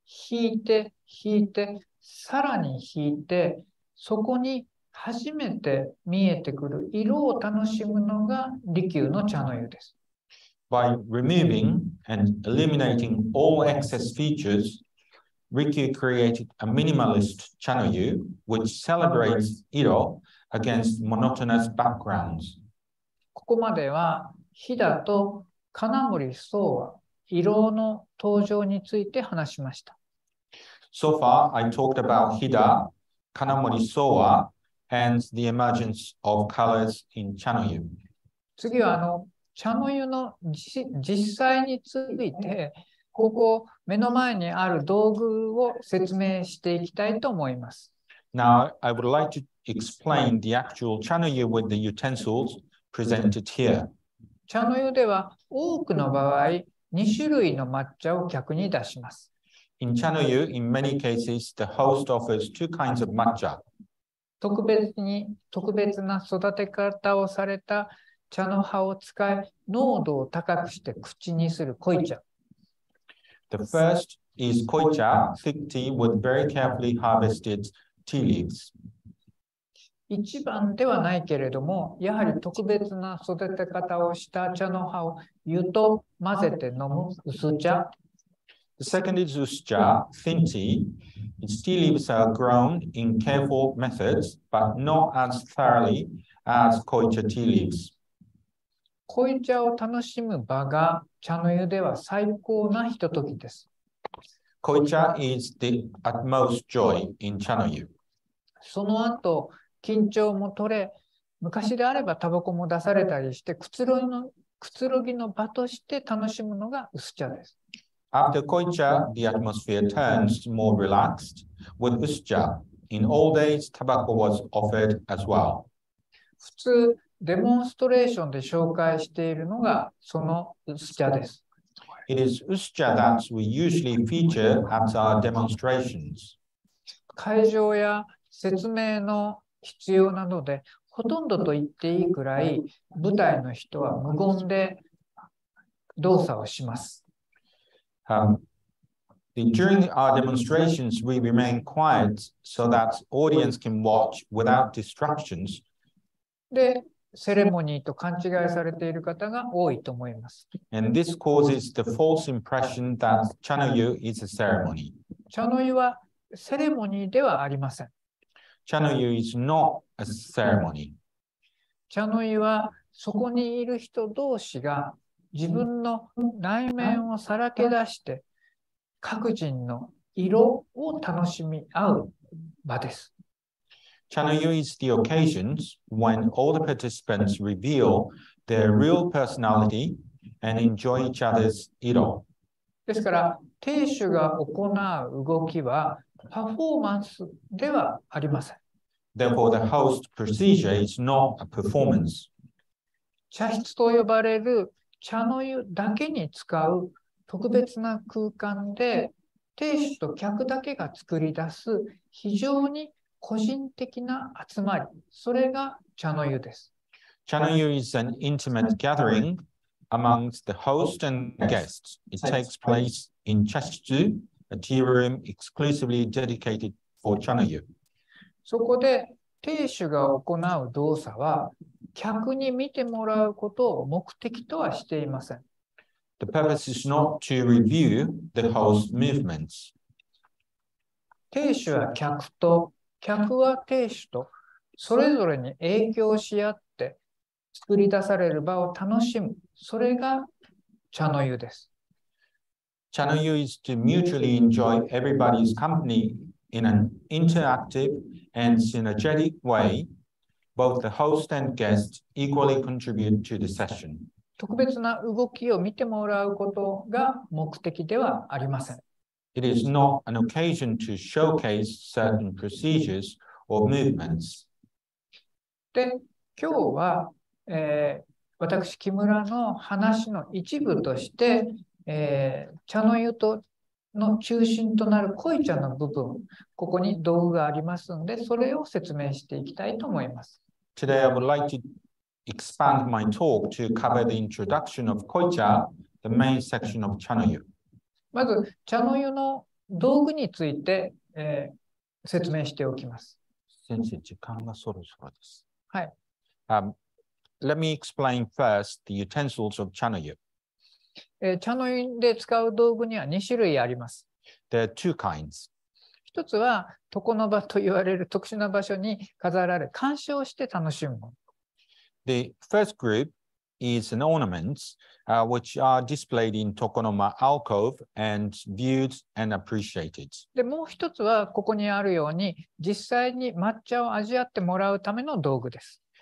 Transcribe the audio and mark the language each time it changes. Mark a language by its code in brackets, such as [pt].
[ja] 引いて引いてさらに引いてそこに初めて見えてくる色を楽しむのが利休の茶の湯です。 [en] By removing and eliminating all excess features, Rikyu created a minimalist chanoyu which celebrates iro against monotonous backgrounds. [ja] ここまでは、ヒダと金森壮は色の登場について話しました。 [en] So far, I talked about Hida, Kanamori Sōwa, and the emergence of colors in chanoyu. [ja] 次は、茶の湯の実際についてここ目の前にある道具を説明していきたいと思います。 [en] Now, I would like to explain the actual 茶の湯 with the utensils presented here. [ja] 茶の湯では多くの場合、2種類の抹茶を客に出します。 [en] In 茶の湯, in many cases, the host offers two kinds of 抹茶。 [ja] 特別に特別な育て方をされた茶の葉を使い濃度を高くして口にする濃茶。 [en] The first is 濃茶, thick tea with very carefully harvested tea leaves. [ja] 一番ではないけれども、やはり特別な育て方をした茶の葉を湯と混ぜて飲む薄茶。 [en] The second is 薄茶, thin tea. Its tea leaves are grown in careful methods, but not as thoroughly as 濃茶 tea leaves. [ja] 濃茶を楽しむ場が茶の湯では最高なひとときです。 [en] 濃茶 is the utmost joy in 茶の湯。 [ja] その後、緊張も取れ、昔であればタバコも出されたりしてくつろぎの場として楽しむのが薄茶です。 [en] After 濃茶, the atmosphere turns more relaxed with 薄茶. In old days, tobacco was offered as well. [ja] 普通デモンストレーションで紹介しているのがその薄茶です。 [en] It is 薄茶 that we usually feature at our demonstrations. [ja] 会場や説明の必要なのでほとんどと言っていいくらい舞台の人は無言で動作をします。 [en] During our demonstrations, we remain quiet so that audience can watch without distractions. [ja] でセレモニーと勘違いされている方が多いと思います。 [en] And this causes the false impression that 茶の湯 is a ceremony. [ja] 茶の湯はセレモニーではありません。 [en] 茶の湯 is not a ceremony. [ja] 茶の湯はそこにいる人同士が自分の内面をさらけ出して各人の色を楽しみ合う場です。 [en] 茶の湯 is the occasions when all the participants reveal their real personality and enjoy each other's 色. [ja] ですから、亭主が行う動きはパフォーマンスではありません。 [en] Therefore, the host procedure is not a performance. [ja] 茶室と呼ばれる茶の湯だけに使う特別な空間で、亭主と客だけが作り出す非常に個人的な集まり、それが茶の湯です。 [en] 茶の湯 is an intimate gathering amongst the host and guests. It takes place in 茶室, a tea room exclusively dedicated for 茶の湯。 [ja] そこで亭主が行う動作は、客に見てもらうことを目的とはしていません。 [en] The purpose is not to review the host's movements. [ja] 亭主は客と客は亭主とそれぞれに影響し合って作り出される場を楽しむ。それが茶の湯です。 [en] 茶の湯 is to mutually enjoy everybody's company in an interactive and synergetic way. Both the host and guest equally contribute to the session. [ja] 特別な動きを見てもらうことが目的ではありません。 [en] It is not an occasion to showcase certain procedures or movements. [ja] で、今日は、私木村の話の一部として、茶の湯との中心となる濃茶の部分、ここに道具がありますので、それを説明していきたいと思います。 [en] Today I would like to expand my talk to cover the introduction of 濃茶, the main section of 茶の湯。 [ja] まず茶の湯の道具について、説明しておきます。先生、時間がそろそろです。はい。 [en] Let me explain first the utensils of 茶の湯。 [ja] 茶の湯で使う道具には2種類あります。 [en] There are two kinds. [ja] 一つは床の場と言われる特殊な場所に飾られ、鑑賞して楽しむもの。 [en] The first group is an ornament, which are displayed in tokonoma alcove and viewed and appreciated. [ja] で、もう一つはここにあるように実際に抹茶を味わってもらうための道具です。